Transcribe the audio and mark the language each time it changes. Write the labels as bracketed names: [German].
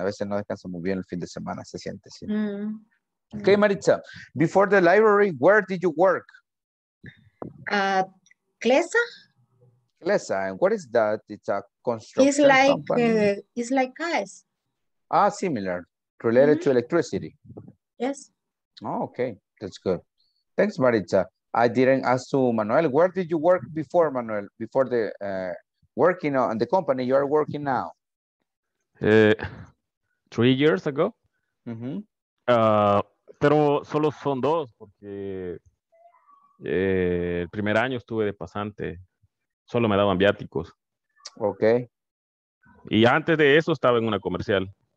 [Spanish] A veces no descansamos bien el fin de semana, se siente, ¿sí? Mm-hmm. [English] Okay, Maritza, before the library, where did you work? Clesa. Clesa, and what is that? It's a construction company. It's like gas. Ah, similar, related mm-hmm. to electricity. Yes. Oh, okay, that's good. Thanks, Maritza. I didn't ask to Manuel, where did you work before, Manuel, before the... working on the company you are working now? 3 years ago. Mm-hmm. [Spanish] Pero solo son dos, porque el primer año estuve de pasante. Solo me daban viáticos. Ok. Y antes de eso estaba en una comercial.